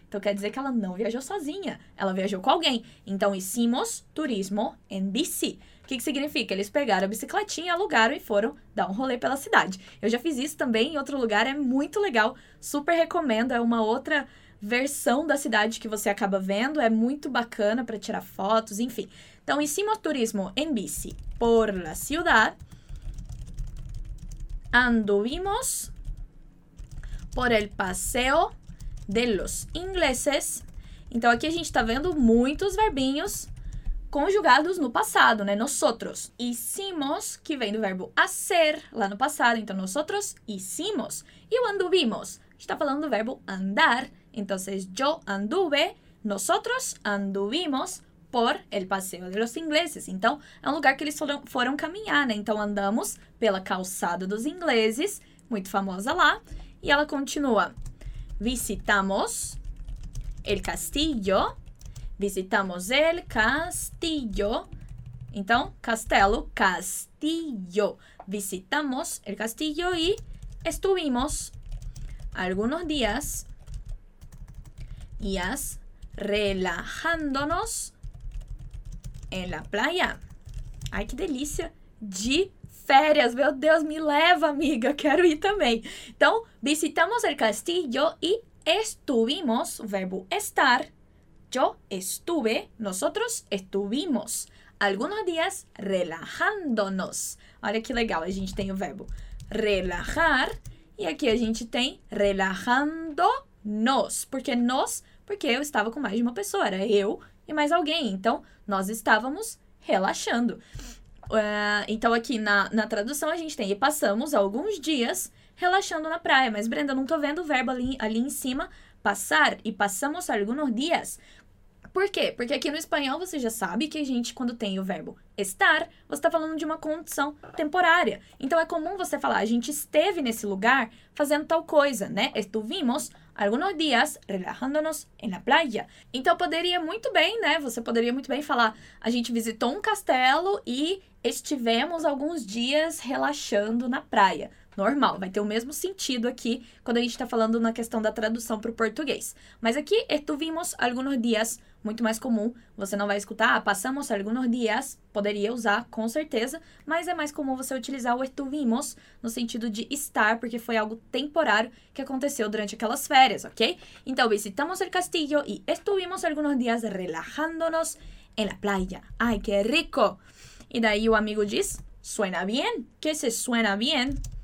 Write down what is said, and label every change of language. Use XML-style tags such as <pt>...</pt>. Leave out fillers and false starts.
<pt>Então, quer dizer que ela não viajou sozinha. Ela viajou com alguém. Então,</pt> <es>hicimos turismo en bici.</es> <pt>O que que significa? Eles pegaram a bicicletinha, alugaram e foram dar um rolê pela cidade. Eu já fiz isso também em outro lugar. É muito legal. Super recomendo. É uma outra... versão da cidade que você acaba vendo. É muito bacana para tirar fotos, enfim.</pt> <es>Então, hicimos turismo en bici por la ciudad. Anduvimos por el paseo de los ingleses.</es> <pt>Então, aqui a gente está vendo muitos verbinhos conjugados no passado, né? Nosotros. Hicimos, que vem do verbo hacer lá no passado. Então,</pt> <es>nosotros hicimos.</es> <pt>E o anduvimos? A gente está falando do verbo andar.</pt> <es>Então, yo anduve, nosotros anduvimos por el paseo de los ingleses.</es> <pt>Então, é um lugar que eles foram caminhar, né? Então, andamos pela calçada dos ingleses, muito famosa lá. E ela continua.</pt> <es>Visitamos el castillo. Visitamos el castillo. Então, castelo, castillo. Visitamos el castillo y estuvimos algunos días... Yas relajándonos en la playa.</es> <pt>Ai, que delícia de férias. Meu Deus, me leva, amiga. Quero ir também.</pt> <es>Então, visitamos el castillo y estuvimos,</es> <pt>o verbo estar. Yo estuve, nosotros estuvimos.</pt> <es>Algunos días relajándonos.</es> <pt>Olha que legal, a gente tem o verbo relajar. E aquí a gente tem relajándonos. Porque nos... porque eu estava com mais de uma pessoa, era eu e mais alguém. Então, nós estávamos relaxando. Então, aqui na tradução, a gente tem... E passamos alguns dias relaxando na praia. Mas, Brenda, não estou vendo o verbo ali em cima. Passar. E passamos alguns dias. Por quê? Porque aqui no espanhol, você já sabe que a gente, quando tem o verbo estar, você está falando de uma condição temporária. Então, é comum você falar, a gente esteve nesse lugar fazendo tal coisa, né?</pt> <es>Estuvimos... algunos días relajándonos en la playa.</es> <pt>Então, poderia muito bem, né? Você poderia muito bem falar, a gente visitou um castelo e estivemos alguns dias relaxando na praia. Normal, vai ter o mesmo sentido aqui quando a gente está falando na questão da tradução para o português. Mas aqui,</pt> <es>estuvimos algunos días,</es> <pt>muito mais comum. Você não vai escutar, ah,</pt> <es>passamos algunos días,</es> <pt>poderia usar, com certeza. Mas é mais comum você utilizar o estuvimos no sentido de estar, porque foi algo temporário que aconteceu durante aquelas férias, ok?</pt> <es>Então, visitamos el castillo y estuvimos algunos días relajándonos en la playa. ¡Ay, qué rico!</es> <pt>E daí o amigo diz,</pt> <es>suena bien, que se suena bien.</es>